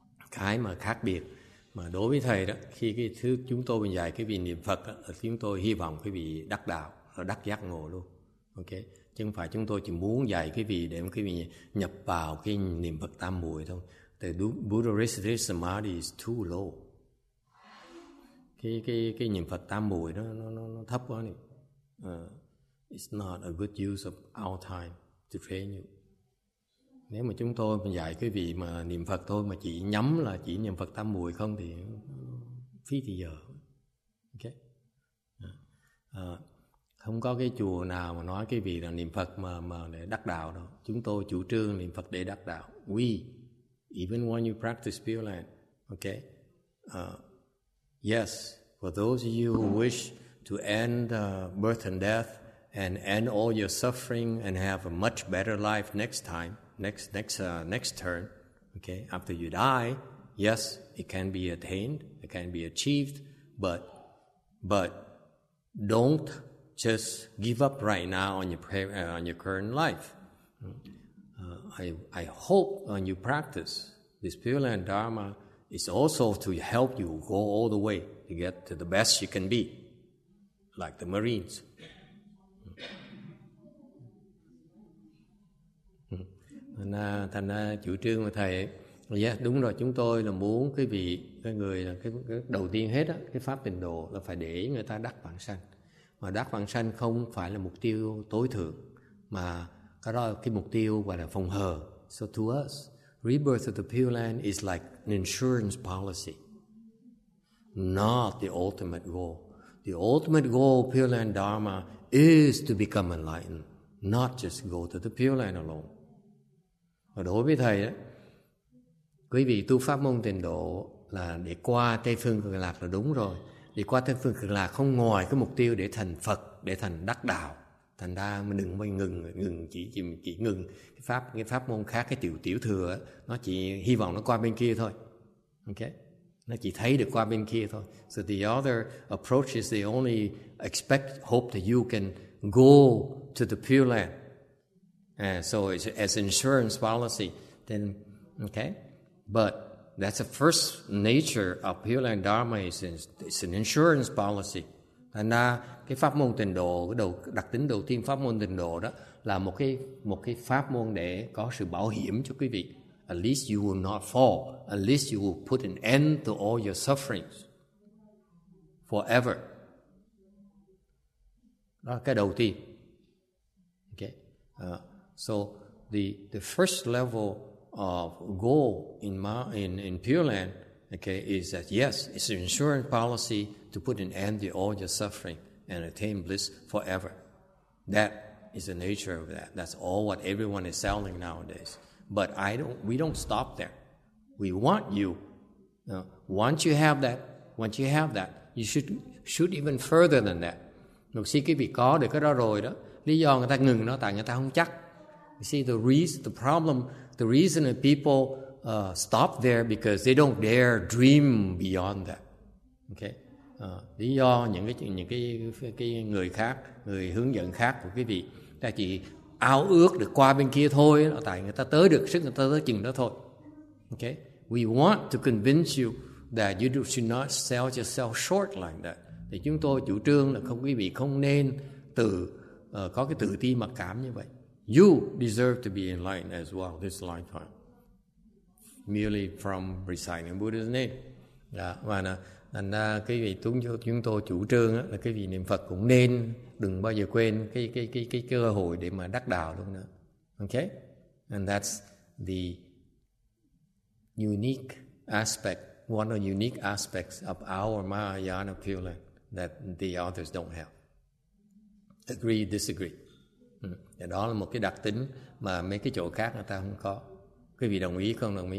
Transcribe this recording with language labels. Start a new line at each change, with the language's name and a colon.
Vietnamese: Cái mà khác biệt mà đối với thầy đó, khi cái thứ chúng tôi mình dạy cái vị niệm Phật đó, chúng tôi hy vọng cái vị đắc đạo, đắc giác ngộ luôn. Ok, chứ không phải chúng tôi chỉ muốn dạy cái vị để cái vị nhập vào cái niệm Phật tam muội thôi.
English: Thì Buddha recitation samadhi is too low.
Vietnamese: Cái niệm Phật tam muội đó nó thấp quá này.
English: It's not a good use of our time to train you.
Vietnamese: Nếu mà chúng tôi mà dạy cái vị mà niệm Phật thôi mà chỉ nhắm là chỉ niệm Phật tam muội không thì phí thì giờ. Okay. Không có cái chùa nào mà nói cái vị là niệm Phật mà để đắc đạo đâu. Chúng tôi chủ trương niệm Phật để đắc đạo.
English: We even when you practice Pure Land, okay? Yes, for those of you who wish to end birth and death and end all your suffering and have a much better life next time, next turn, okay? After you die, yes, it can be attained, it can be achieved, but don't just give up right now on your current life. I hope when you practice this Pure Land Dharma, it's also to help you go all the way to get to the best you can be, like the Marines.
Vietnamese: Thành ra chủ trương của thầy ấy, yeah, đúng rồi, chúng tôi là muốn cái vị cái người là cái đầu tiên hết á, cái pháp tịnh độ là phải để người ta đắc vãng sanh, mà đắc vãng sanh không phải là mục tiêu tối thượng, mà cái đó là cái mục tiêu gọi là phòng hờ.
English: So to us, rebirth of the Pure Land is like an insurance policy, not the ultimate goal. The ultimate goal of Pure Land Dharma is to become enlightened, not just go to the Pure Land alone.
Vietnamese: Và đối với thầy ấy, quý vị tu pháp môn tịnh độ là để qua Tây Phương Cực Lạc là đúng rồi. Để qua Tây Phương Cực Lạc không ngoài cái mục tiêu để thành Phật, để thành đắc đạo. Thành ra mình đừng bao ngừng chỉ ngừng cái pháp môn khác, cái tiểu thừa ấy, nó chỉ hy vọng nó qua bên kia thôi. Ok, nó chỉ thấy được qua bên kia thôi.
English: So the other approach is they only expect, hope that you can go to the Pure Land. So it's as insurance policy, then okay. But that's the first nature of Pure Land Dharma, is it's an insurance policy.
Vietnamese: Thành ra cái pháp môn tịnh độ, cái đặc tính đầu tiên pháp môn tịnh độ đó là một cái pháp môn để có sự bảo hiểm cho quý vị.
English: At least you will not fall. At least you will put an end to all your sufferings forever.
Vietnamese: Đó là cái đầu tiên.
English: Okay. So the first level of goal in Pure Land, okay, is that yes, it's an insurance policy to put an end to all your suffering and attain bliss forever. That is the nature of that. That's all what everyone is selling nowadays. But we don't stop there. We want you. Now, once you have that, you should even further than that.
Vietnamese: Lục sĩ cái vị có được cái đó rồi đó. Lý do người ta ngừng nó tại người ta không chắc.
English: You see, the reason that people stop there because they don't dare dream beyond that. Okay?
Vietnamese: Lý do những cái người khác, người hướng dẫn khác của quý vị, ta chỉ ao ước được qua bên kia thôi, tại người ta tới được, sức người ta tới chừng đó thôi.
English: Okay? We want to convince you that you should not sell yourself short like that.
Vietnamese: Thì chúng tôi chủ trương là không, quý vị không nên có cái tự ti mặc cảm như vậy.
English: You deserve to be enlightened as well this lifetime, merely from reciting Buddha's name.
Vietnamese: Đó, và thành ra cái vị chúng tôi chủ trương á, là cái vị niệm Phật cũng nên đừng bao giờ quên cái cơ hội để mà đắc đạo luôn nữa.
English: Okay, and that's the unique aspect, one of the unique aspects of our Mahayana Pure Land that the others don't have. Agree, disagree.
Vietnamese: Đó là một cái đặc tính mà mấy cái chỗ khác người ta không có. Quý vị đồng ý không đồng ý?